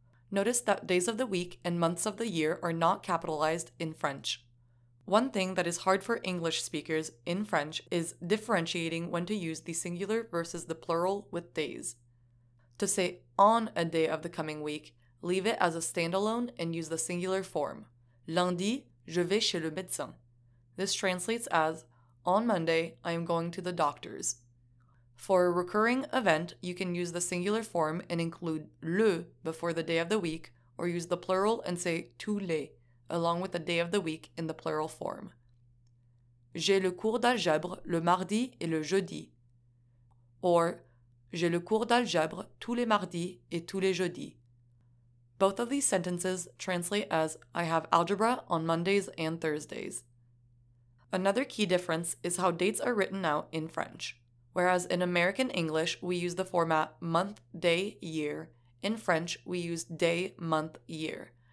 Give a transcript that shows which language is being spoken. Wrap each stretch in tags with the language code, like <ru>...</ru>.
<en>Notice that days of the week and months of the year are not capitalized in French. One thing that is hard for English speakers in French is differentiating when to use the singular versus the plural with days. To say on a day of the coming week, leave it as a standalone and use the singular form.</en> <fr>Lundi, je vais chez le médecin.</fr> <en>This translates as, on Monday, I am going to the doctor's. For a recurring event, you can use the singular form and include le before the day of the week, or use the plural and say tous les, along with the day of the week in the plural form.</en> <fr>J'ai le cours d'algèbre le mardi et le jeudi. Or, j'ai le cours d'algèbre tous les mardis et tous les jeudis.</fr> <en>Both of these sentences translate as I have algebra on Mondays and Thursdays. Another key difference is how dates are written out in French. Whereas in American English, we use the format month, day, year, in French, we use day, month, year.</en>